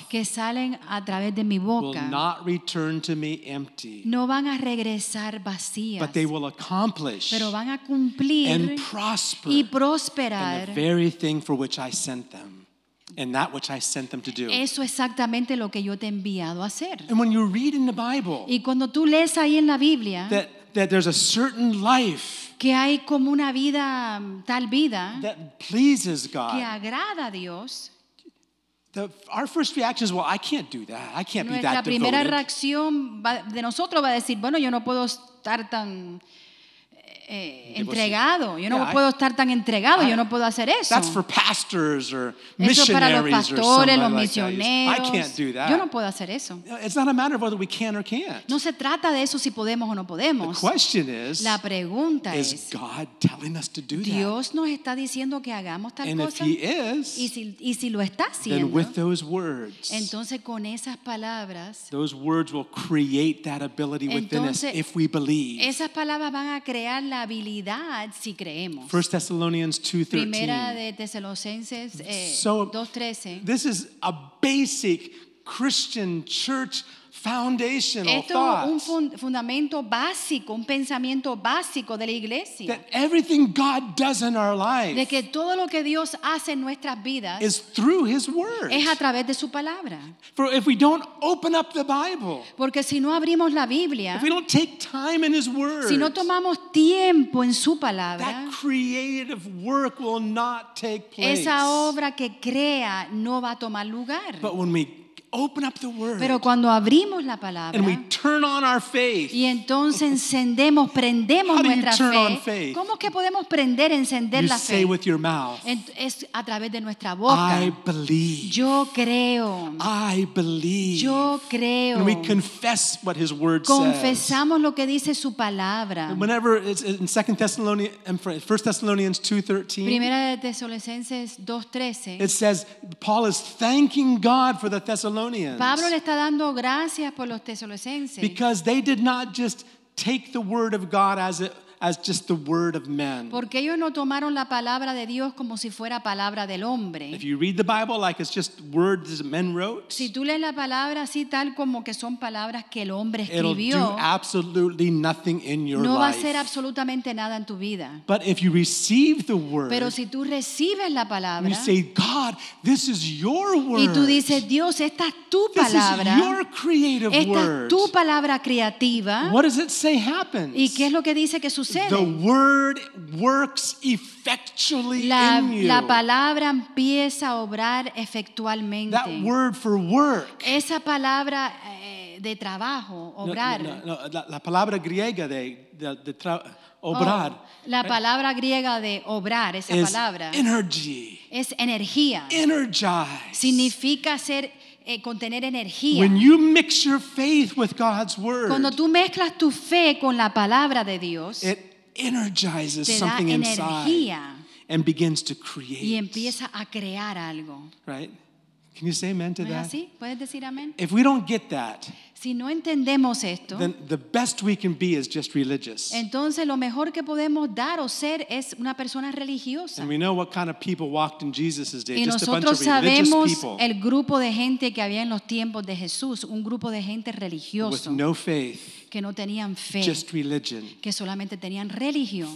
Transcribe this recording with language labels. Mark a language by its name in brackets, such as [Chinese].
[Spanish] Que salen a través de mi boca. [English] Will not return to me empty. [Spanish] No van a regresar vacías. [English] But they will accomplish. [Spanish] Pero van a cumplir. [English] And prosper. [Spanish] Y prosperar. [English] In the very thing for which I sent them. And that which I sent them to do. [Spanish] Eso exactamente lo que yo te he enviado a hacer. [English] And when you read in the Bible, [Spanish] y cuando tú lees ahí en la Biblia, [English] that there's a certain life [Spanish] que hay como una vida, tal vida, [English] that pleases God, [Spanish] que agrada a Dios, [English] our first reaction is, well, I can't do that. I can't be that devoted. [Spanish] La primera reacción de nosotros va a decir, bueno, yo no puedo estar tan entregado. Yo no puedo estar tan entregado. Yo no puedo hacer eso. [English] That's for pastors or missionaries [Spanish] eso es para los pastores, los misioneros. [English] I can't do that. [Spanish] Yo no puedo hacer eso. [English] It's not a matter of whether we can or can't. [Spanish] No se trata de eso si podemos o no podemos. [English] The question is, [Spanish] la pregunta es, [English] is God telling us to do that? [Spanish] Dios nos está diciendo que hagamos tal cosa. [English] And if he is, [Spanish] y si lo está haciendo, [English] then with those words, [Spanish] entonces con esas palabras, [English] those words will create that ability within [Spanish] entonces, [English] us if we believe. [Spanish] Esas palabras van a crear la habilidad si creemos. [English] 1 Thessalonians 2:13. [Spanish] Primera de Tesalonicenses 2:13. [English] This is a basic Christian church foundational [Spanish] Esto [English] thought. [Spanish] Esto es un fundamento básico, un pensamiento básico de la iglesia. [English] That everything God does in our lives [Spanish] de que todo lo que Dios hace en nuestras vidas [English] is through his word. [Spanish] Es a través de su palabra. [English] For if we don't open up the Bible, [Spanish] porque si no abrimos la Biblia, [English] if we don't take time in his word, [Spanish] si no tomamos tiempo en su palabra, [English] that creative work will not take place. [Spanish] Esa obra que crea no va a tomar lugar. [English] But when we open up the word. [Spanish] Pero cuando abrimos la palabra, [English] and we turn on our faith. [Spanish] Y entonces encendemos, prendemos nuestra fe. [English] How do you turn on faith? [Spanish] ¿Cómo que podemos prender, encender [English] you [Spanish] la [English] say [Spanish] fe? [English] With your mouth. [Spanish] Es a través de nuestra boca. [English] I believe. [Spanish] Yo creo. [English] I believe. [Spanish] Yo creo. [English] And we confess what his word [Spanish] Confesamos [English] says. [Spanish] Lo que dice su palabra. [English] Whenever it's in 1 Thessalonians 2:13. [Spanish] Primera de Tesalonicenses 2:13. [English] It says Paul is thanking God for the Thessalonians. [Spanish] Pablo le está dando gracias por los tesalonicenses [English] because they did not just take the word of God as it as just the word of man. [Spanish] Porque ellos no tomaron la palabra de Dios como si fuera palabra del hombre. [English] If you read the Bible like it's just words men wrote, [Spanish] si tú lees la palabra así tal como que son palabras que el hombre escribió, [English] it'll do absolutely nothing in your life. [Spanish] No va a hacer absolutamente nada en tu vida. [English] But if you receive the word, [Spanish] pero si tú recibes la palabra, [English] you say, God, this is your word. [Spanish] Y tú dices, Dios, esta es tu palabra. [English] This is your creative word. [Spanish] Esta es tu palabra creativa. [English] What does it say happens? [Spanish] ¿Y qué es lo que dice que sucede? [English] The word works effectually in you. [Spanish] La palabra empieza a obrar efectualmente. [English] That word for work. [Spanish] Esa palabra de trabajo, obrar. La palabra griega de obrar. [English] Oh, [Spanish] la palabra griega de obrar, esa [English] is [Spanish] palabra. [English] Energy. [Spanish] Es energía. [English] Energize. [Spanish] Significa ser contener energía. [English] When you mix your faith with God's word, [Spanish] cuando tú mezclas tu fe con la palabra de Dios, [English] it energizes something [Spanish] energía [English] inside and begins to create. [Spanish] Y empieza a crear algo. [English] Right? Can you say amen to that? [Spanish] ¿Así? ¿Puedes decir amén? [English] If we don't get that, [Spanish] si no entendemos esto, [English] then the best we can be is just religious. [Spanish] Entonces lo mejor que podemos dar o ser es una persona religiosa. [English] And we know what kind of people walked in Jesus' day, just a bunch of religious [Spanish] people. Y nosotros sabemos el grupo de gente que había en los tiempos de Jesús, un grupo de gente religioso. [English] With no faith. [Spanish] Que no tenían fe. [English] Just religion. [Spanish] Que solamente tenían religión.